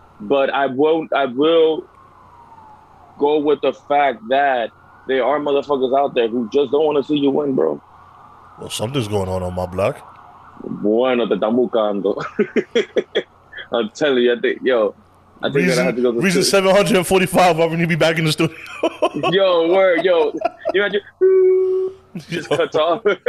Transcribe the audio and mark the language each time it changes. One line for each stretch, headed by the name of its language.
English: But I will go with the fact that there are motherfuckers out there who just don't want to see you win, bro. Well, something's going on my block.
Spanish: Bueno, te están buscando.
English: I'm telling you, I think I have to go to the studio. Reason 745, why we need to be back in the studio. Yo, word, yo. You imagine, just cut off.